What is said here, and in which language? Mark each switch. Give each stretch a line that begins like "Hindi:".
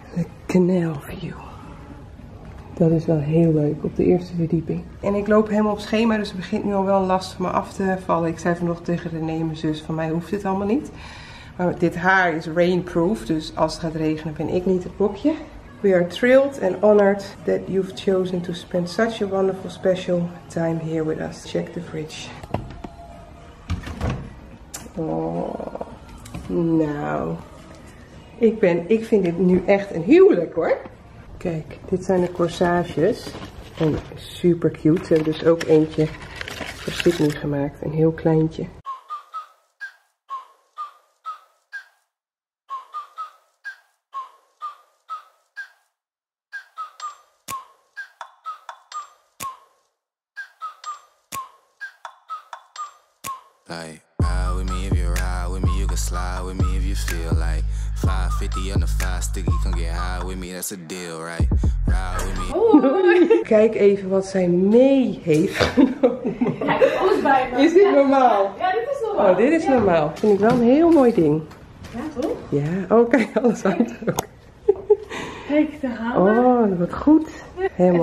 Dutch: De Canal View. Dat is wel heel leuk op de eerste verdieping. En ik loop helemaal op schema, dus het begint nu al wel last van me af te vallen. Ik zei vanochtend tegen René, mijn zus, van mij hoeft dit allemaal niet. Maar dit haar is rainproof, dus als het gaat regenen ben ik niet het bokje.
English: We are thrilled and honored that you've chosen to spend such a wonderful special time here with us. Check the fridge.
Dutch: Oh, nou. Ik vind dit nu echt een huwelijk hoor. Kijk, dit zijn de corsages. En super cute. Ze hebben dus ook eentje voor Sydney gemaakt. Een heel kleintje.
English: Like, ride with me if you ride with me. You can slide with me if you feel like. 550 on the 5 sticky, come get high with me, that's a deal, right? Ride with me.
Dutch: Kijk even wat zij mee heeft genomen. Ja, is dit normaal? Ja, dit is normaal. Oh, dit is normaal. Vind ik wel een heel mooi ding. Ja, toch? Ja, oh kijk, alles hangt er ook. Kijk, de hamer. Oh, wat goed. Helemaal.